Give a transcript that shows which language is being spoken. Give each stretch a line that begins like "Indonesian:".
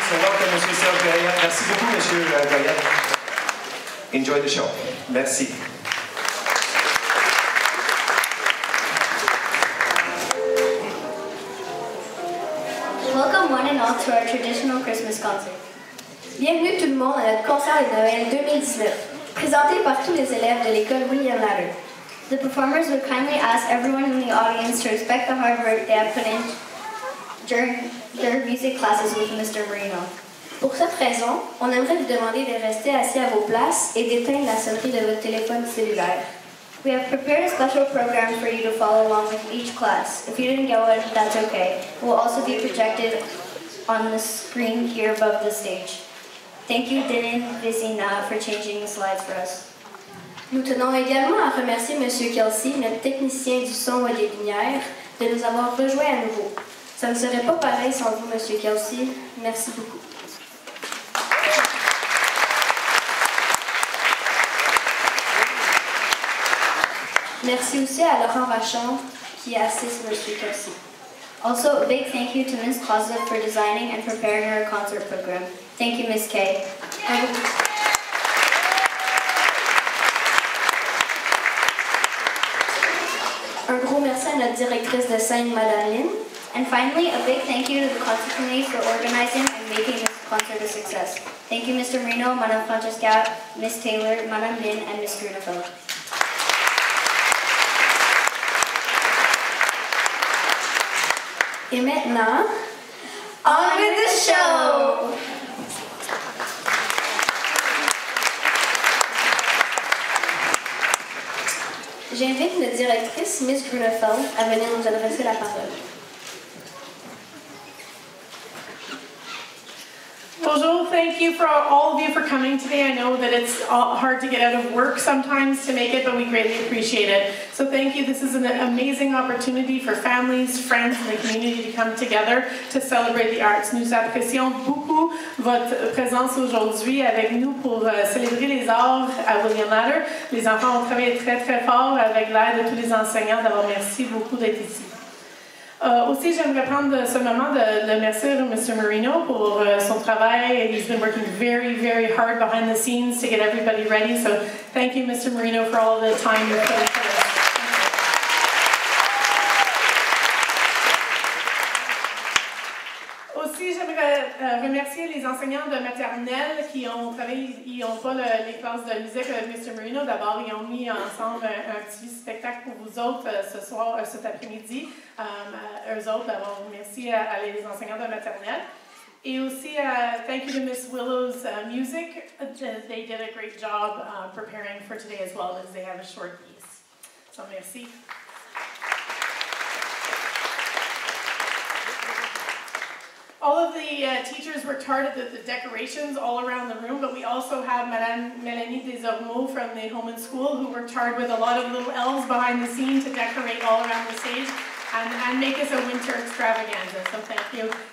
English: So welcome, Monsieur Serge Gaillard.
French: Merci beaucoup,
English: Monsieur Gaillard. Enjoy the show. Merci. Welcome one and all to our traditional Christmas concert.
French: Bienvenue tout le monde à notre concert de Noël 2019, présenté par tous les élèves de l'école William Larue.
English: The performers would kindly ask everyone in the audience to respect the hard work they have put in during their music classes with Mr. Marino.
French: Pour cette raison, on aimerait vous demander de rester assis à vos places et d'éteindre la sonnerie de votre téléphone cellulaire.
English: We have prepared a special program for you to follow along with each class. If you didn't get one, that's okay. It will also be projected on the screen here above the stage. Thank you, Dylan, Vizina, for changing the slides for us.
French: Nous tenons également à remercier M. Kelsey, notre technicien du son et des lumières, de nous avoir rejoints à nouveau. Ça ne serait pas pareil sans vous, M. Kelsey. Merci beaucoup. Merci aussi à Laurent Vachon qui assiste M. Kelsey.
English: Also, a big thank you to Ms. Closet for designing and preparing her concert program. Thank you, Ms. Kay.
French: Un gros merci à notre directrice de scène, Madame Lynn.
English: And finally, a big thank you to the concert committee for organizing and making this concert a success. Thank you, Mr. Marino, Madame Francesca, Ms. Taylor, Madame Lynn, and Ms. Grunefeld.
French: Et maintenant,
English: on with the show!
French: J'invite notre directrice, Ms. Grunefeld, à venir nous adresser la parole.
English: Bonjour, thank you for all of you for coming today. I know that it's hard to get out of work sometimes to make it, but we greatly appreciate it. So thank you. This is an amazing opportunity for families, friends, and the community to come together to celebrate the arts.
French: Nous apprécions beaucoup votre présence aujourd'hui avec nous pour célébrer les arts à William Larue. Les enfants ont travaillé très, très fort avec l'aide de tous les enseignants. D'abord, merci beaucoup d'être ici. Aussi, j'aimerais prendre ce moment de remercier Mr. Marino pour son travail.
English: He's been working very, very hard behind the scenes to get everybody ready. So thank you, Mr. Marino, for all the time you're putting for us.
French: Aussi, j'aimerais remercier les enseignants de maternelle qui ont travaillé, ils n'ont pas les classes de musique avec Mr. Marino. D'abord, ils ont mis ensemble un petit spectacle pour vous autres ce soir, cet après-midi. Eux autres, d'abord, merci à les enseignants de maternelle. Et aussi,
English: thank you to Miss Willow's music. They did a great job preparing for today as well, as they have a short piece. So, merci. All of the teachers worked hard at the decorations all around the room, but we also have Madame Mélanie Desormeaux from the Holman School, who worked hard with a lot of little elves behind the scene to decorate all around the stage and make us a winter extravaganza, so thank you.